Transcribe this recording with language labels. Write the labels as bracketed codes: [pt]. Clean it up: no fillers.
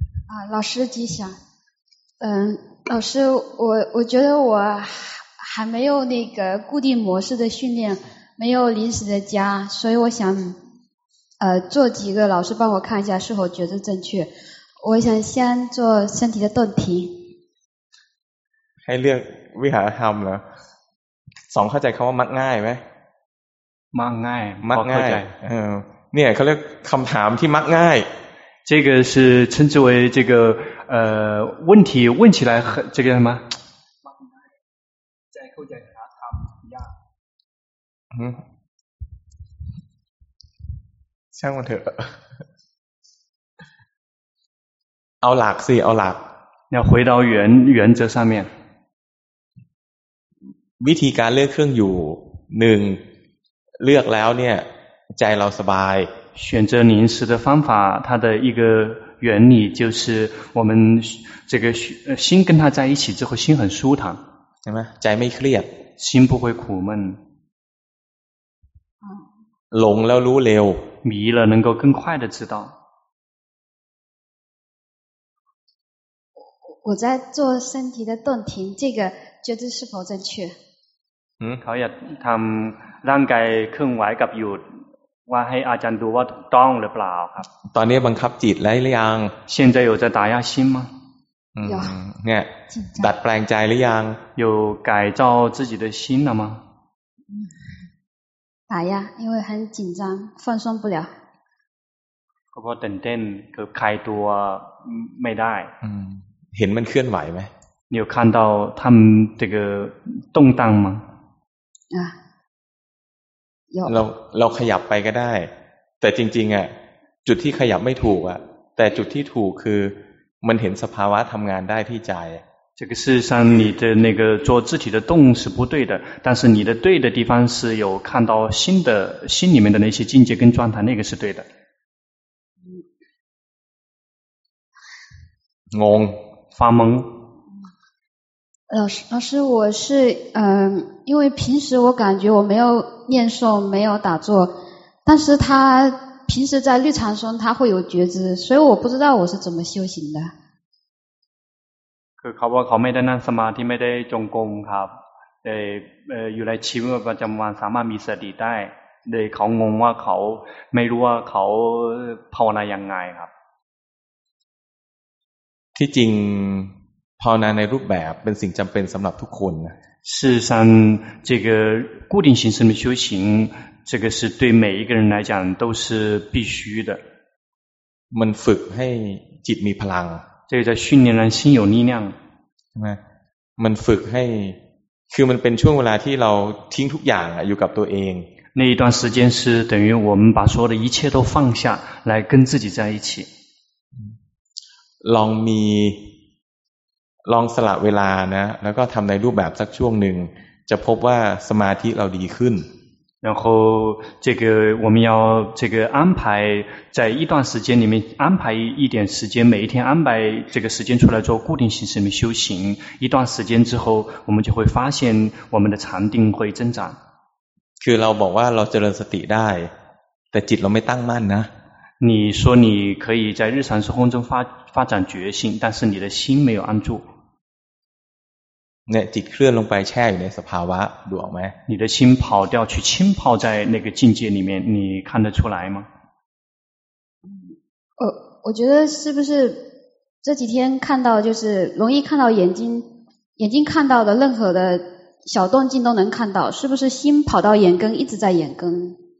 [zh] 啊老师吉祥老师我觉得我还没有那个固定模式的训练没有临时的家所以我想做几个老师帮我看一下是否觉得正确我想先做身体的动体 [th] ให้เลือกวิหารธรรมเหรอสองเข้าใจคำว่ามักง่ายไหม มักง่าย มักง่ายเนี่ยเขาเรียกคำถามที่มักง่าย [zh] 这个是称之为这个问题问起来很这个什么 [th] ใจเข้าใจคำถามยาก ช่างมันเถอะเอาหลักสิเอาหลัก [zh] 要回到原则上面 [th] วิธีการเลือกเครื่องอยู่หนึ่งเลือกแล้วเนี่ยใจเราสบาย [zh] 选择临时的方法它的一个原理就是我们这个心跟它在一起之后心很舒坦 [th] ใช่ไหมใจไม่เครียด [zh] 心不会苦闷 [th] หลงแล้วรู้เร็ว [zh] 迷了能够更快的知道我在做身体的动停这个觉得是否正确 [th] เขาอยากทำร่างกายเคลื่อนไหวกับหยุดว่าให้อาจารย์ดูว่าต้องหรือเปล่าครับ ตอนนี้บังคับจิตแล้วหรือยัง [zh] 现在有在打压心吗 [th] เนี่ยดัดแปลงใจหรือยัง [zh] 有改造自己的心了吗打压因为很紧张放松不了 [th] เขาก็ตื่นเต้นคือคลายตัวไม่ได้ เห็นมันเคลื่อนไหวไหม [zh] 你有看到他们这个动荡吗啊有 [th] เราขยับไปก็ได้แต่จริงๆอ่ะจุดที่ขยับไม่ถูกอ่ะแต่จุดที่ถูกคือมันเห็นสภาวะทำงานได้ที่ใจ [zh] 这个事实上你的那个做肢体的动是不对的但是你的对的地方是有看到心的心里面的那些境界跟状态那个是对的懵发懵老师我是因为平时我感觉我没有念诵没有打坐但是他平时在日常中他会有觉知所以我不知道我是怎么修行的 [th] คือเขาบอกเขาไม่ได้นั่งสมาธิไม่ได้จงกรมครับอยู่ในชีวิตประจำวันสามารถมีสติได้เลยเขางงว่าเขาไม่รู้ว่าเขาภาวนายังไงครับ ที่จริงภาวนาในรูปแบบเป็นสิ่งจำเป็นสำหรับทุกคน [zh] 事实上这个固定形式的修行这个是对每一个人来讲都是必须的 [th] มันฝึกให้จิตมีพลัง [zh] 这个叫训练让心有力量 [th] ใช่ไหมมันฝึกให้คือมันเป็นช่วงเวลาที่เราทิ้งทุกอย่างอยู่กับตัวเอง [zh] 那一段时间是等于我们把所有的一切都放下来跟自己在一起 [th] ลองสละเวลานะแล้วก็ทำในรูปแบบสักช่วงหนึ่งจะพบว่าสมาธิเราดีขึ้น [zh] 然后这个我们要这个安排在一段时间里面安排一点时间，每一天安排这个时间出来做固定形式里面修行，一段时间之后我们就会发现我们的禅定会增长。 [th] คือเราบอกว่าเราเจริญสติได้แต่จิตเราไม่ตั้งมั่นนะ [zh] 你说你可以在日常生活中发展觉性，但是你的心没有安住。 [th] 那จิตเคลื่อนลงไปแช่อยู่ในสภาวะดวงไหม [zh] 你的心跑掉去浸泡在那个境界里面，你看得出来吗？我觉得是不是这几天看到就是容易看到眼睛看到的任何的小动静都能看到，是不是心跑到眼根一直在眼根？